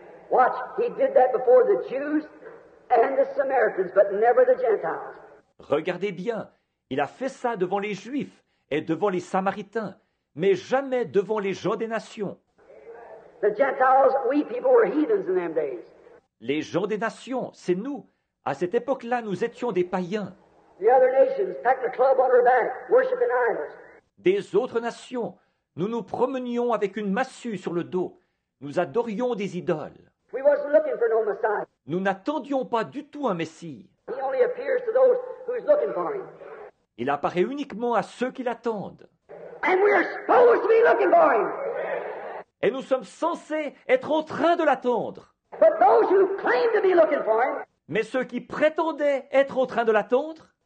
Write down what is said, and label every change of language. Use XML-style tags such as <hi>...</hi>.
<en>Watch, he did that before the Jews and the Samaritans, but never the Gentiles.</en> <fr>Regardez bien, il a fait ça devant les Juifs et devant les Samaritains, mais jamais devant les gens des nations.</fr> <en>The Gentiles, we people were heathens in them days.</en> <fr>Les gens des nations, c'est nous. À cette époque-là, nous étions des païens.</fr> <en>The other nations packed a club on our back, worshiping idols.</en> <fr>Des autres nations, nous nous promenions avec une massue sur le dos. Nous adorions des idoles.</fr> <en>We wasn't looking for no Messiah.</en> <fr>Nous n'attendions pas du tout un Messie.</fr> <en>He only appears to those who's looking for him.</en> <fr>Il apparaît uniquement à ceux qui l'attendent.</fr> <en>And we are supposed to be looking for him.</en> <fr>Et nous sommes censés être en train de l'attendre.</fr> <en>But those who claim to be looking for him,</en> <fr>mais ceux qui prétendaient être en train de l'attendre,</fr>